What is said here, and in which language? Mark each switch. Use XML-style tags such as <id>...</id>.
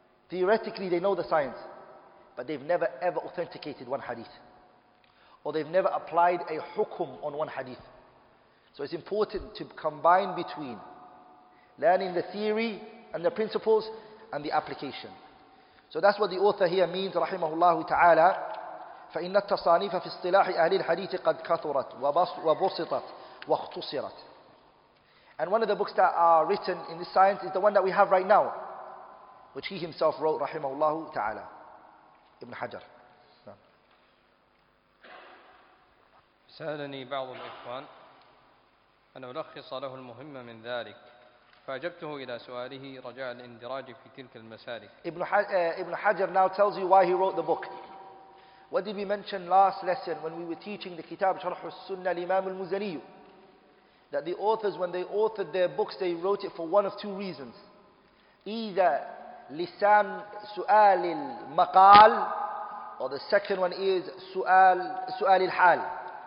<en>Theoretically they know the science, but they've never ever authenticated one hadith, or they've never applied a hukum on one hadith. So it's important to combine between learning the theory and the principles and the application. So that's what the author here means, rahimahullah ta'ala.</en> <ar>فإن التصانيف في اصطلاح أهل الحديث قد كثرت وبسطت واختصرت.</ar> <en>And one of the books that are written in this science is the one that we have right now, which he himself wrote, rahimahullah ta'ala, Ibn Hajar.</en> <ar>سألني بعض الإخوان أن ألخص له المهمة من ذلك، فأجبته إلى سؤاله رجاء الاندراج في تلك المسالك.</ar> <en>Ibn Hajar now tells you why he wrote the book. What did we mention last lesson when we were teaching the Kitab Sharh al-Sunnah al-Imam al-Muzaniyu? That the authors, when they authored their books, they wrote it for one of two reasons. Either lisan su'al al-maqal, or the second one is su'al al-hal.</en>